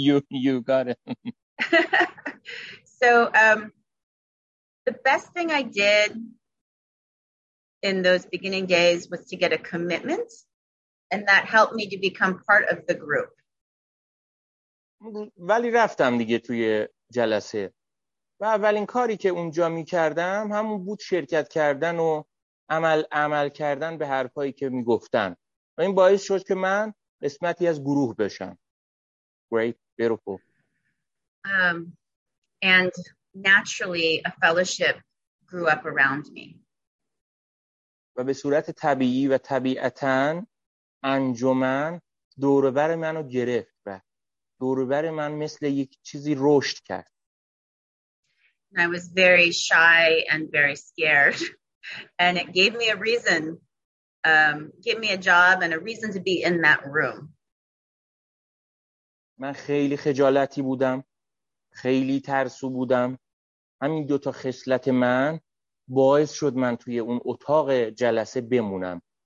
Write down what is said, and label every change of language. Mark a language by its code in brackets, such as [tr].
[en] you got it. So the best thing I did in those beginning days was to get a commitment, and that helped me to become part of the group. [fa] ولی رفتم دیگه توی جلسه و اولین کاری که اونجا می کردم همون بود شرکت کردن و عمل کردن به حرفایی که می گفتن و این باعث شد که من قسمتی از گروه بشم. [en] Great. Beautiful. And naturally a fellowship grew up around me. [fa] و به صورت طبیعی و طبیعتاً انجمن دوربر منو گرفت. دوربر من مثل یک چیزی رشد کرد. [en] I was very shy and very scared and it gave me a reason gave me a job and a reason to be in that room. [fa] من خیلی خجالتی بودم، خیلی ترسو بودم. همین دو تا خصلت من باعث شد من توی اون اتاق جلسه بمونم.